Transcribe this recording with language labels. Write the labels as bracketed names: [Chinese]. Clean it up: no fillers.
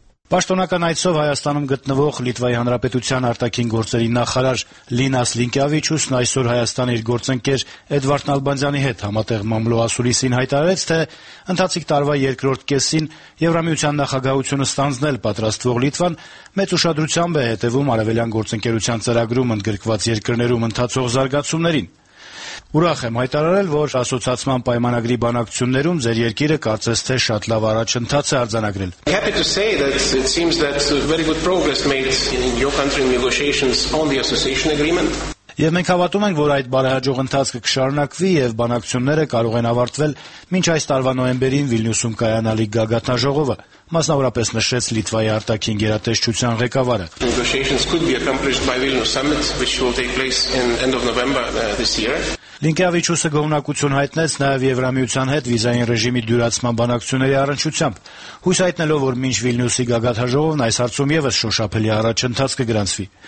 [Armenian] Պաշտոնական այցով Հայաստանում գտնվող Լիտվայի Հանրապետության արտաքին գործերի նախարար Լինա Սլինկևիչուսն այսօր Հայաստանի իր գործընկեր Էդվարդ Նալբանդյանի հետ համատեղ Մամլո ասուլիսին հայտարարեց, թե ընթացիկ տարվա երկրորդ կեսին Եվրամիության նախագահությունը ստանձնել պատրաստվող Լիտվան մեծ ուշադրությամբ է հետևում արևելյան գործընկերության ծրագրում ընդգրկված երկրներում ընթացող զարգացումներին։ Ուրախ եմ հայտարարել, որ ասոցիացիան պայմանագրի բանակցություններում ձեր երկիրը կարծես թե շատ լավ առաջընթաց է արձանագրել։ [English] Happy to say that it seems that very good progress made in your country in negotiations on the association agreement. [Armenian] Եվ մենք հավատում ենք, որ այդ բարեհաջող ընթացքը կշարունակվի եւ բանակցությունները կարող են ավարտվել մինչ այս տարվա նոյեմբերին Վիլնյուսում կայանալիք գագաթնաժողովը, մասնավորապես նշեց Լիտվայի արտաքին գերատեսչության ղեկավարը։ Լինկևիչուսը գովնակություն հայտնեց նաև Եվրամիության հետ վիզային ռեժիմի դյուրացման բանակցությունների առնչությամբ, հույս հայտնելով, որ մինչ Վիլնյուսի գագաթաժողովն այս հարցում եւս շոշափելի առաջընթաց կգրանցվի։